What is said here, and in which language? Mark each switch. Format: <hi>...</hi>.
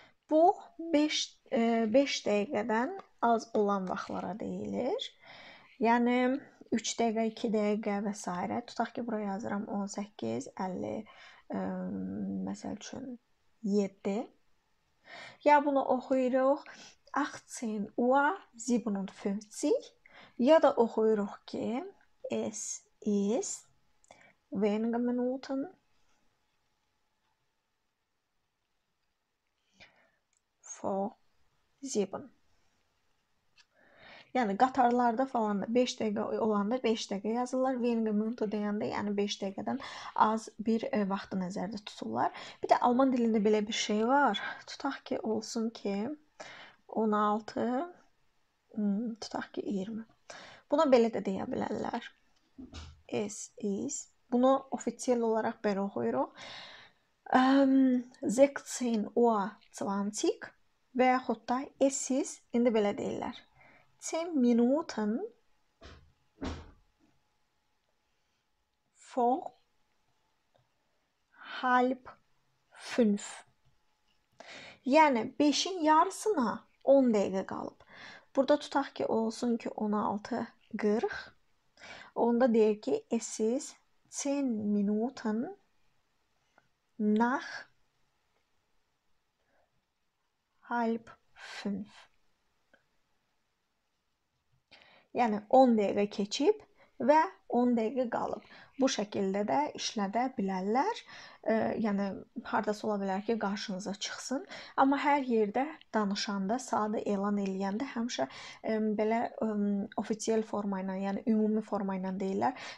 <az>Bu 5 dəqiqədən az olan vaxtlara deyilir. Yəni 3 dəqiqə, 2 dəqiqə və s. Tutaq ki, bura yazıram 18, 50, məsəl üçün 7. Ya bunu oxuyuruq 18 Uhr 57 ya da oxuyuruq ki</az> <de>Es ist wenige Minuten vor 7.</de> <az>Yəni qatarlarda falan da 5 dəqiqə olanda 5 dəqiqə yazırlar. Wenige Minute deyəndə, yəni 5 dəqiqədən az bir vaxtı nəzərdə tuturlar. Bir də Alman dilində belə bir şey var. Tutaq ki, olsun ki 16, tutaq ki 20. Buna belə də deyə bilərlər.</az> <de>Es ist.</de> <az>Bunu ofisiell olaraq belə oxuyuruq. 16 Uhr 20 və yaxud da</az> <de>es ist.</de> <az>İndi belə deyirlər.</az> <de>10 Minuten vor halb 5.</de> <az>Yəni 5-in yarısına 10 dəqiqə qalıb. Burada tutaq ki, olsun ki 16:40. Onda deyir ki,</az> <de>es ist 10 Minuten nach halb 5.</de> <az>Yəni 10 dəqiqə keçib və 10 dəqiqə qalıb. Bu şəkildə də işlədə bilərlər. Yəni hardasa ola bilər ki, qarşınıza çıxsın. Amma hər yerdə danışanda, saatı elan eləyəndə həmişə belə ofisiell forma ilə, yəni ümumi forma ilə deyirlər.</az>